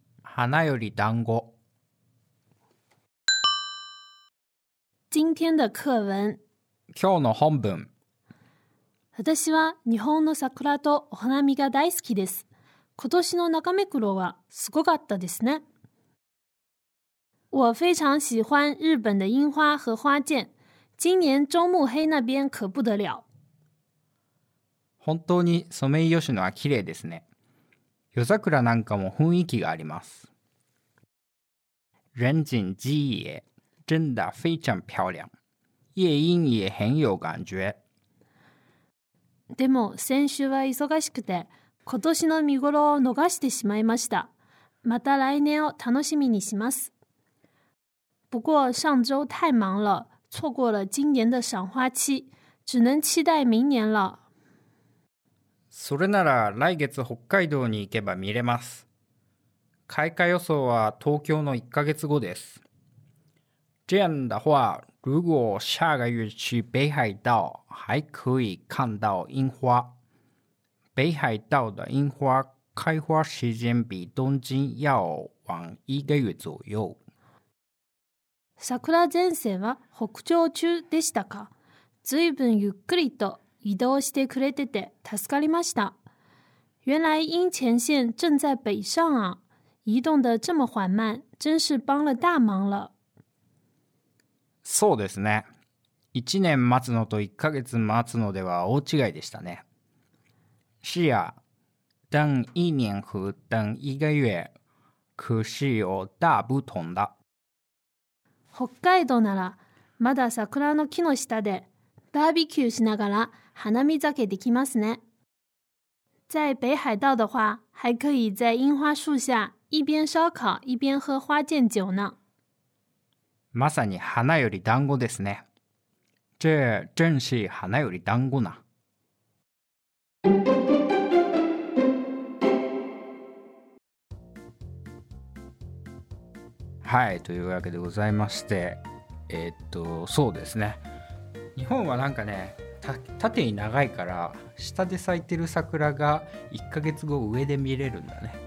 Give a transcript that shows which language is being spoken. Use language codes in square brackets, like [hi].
[ja] 花より団子。 [zh] 今天的课文。 [ja] 今日の本文。私は日本の桜とお花見が大好きです。今年の中目黒はすごかったですね。 [zh] 我非常喜欢日本的樱花和花见。今年中目黑那边可不得了。 [ja] 本当にソメイヨシノは綺麗ですね。夜桜なんかも雰囲気があります。 [zh] 人景吉野。真的非常漂亮。夜莺也很有感觉。 [ja] でも先週は忙しくて、今年の見頃を逃してしまいました。また来年を楽しみにします。 [zh] 不过上周太忙了，错过了今年的赏花期，只能期待明年了。 [ja] それなら来月北海道に行けば見れます。開花予想は東京の1ヶ月後です。 [zh] 这样的话，如果下个月去北海道，还可以看到樱花。北海道的樱花开花时间比东京要晚一个月左右。 [ja] 桜前線は北上中でしたか。ずいぶんゆっくりと移動してくれてて助かりました。 [zh] 原来阴前线正在北上啊，移动的这么缓慢，真是帮了大忙了。 [ja] そうですね。 1年待つのと1ヶ月待つのでは大違いでしたね。 [zh] 是呀，等一年和等一个月，可是有大不同的。 [ja] 北海道ならまだ桜の木の下でバーベキューしながら花見酒できますね。 [zh] 在北海道的话，还可以在樱花树下一边烧烤一边喝花见酒呢。 [ja] まさに花より団子ですね。 [zh] 这正是 [ja] 花より団子な。はい、というわけでございまして、そうですね、日本はなんかね縦に長いから下で咲いてる桜が1ヶ月後上で見れるんだね。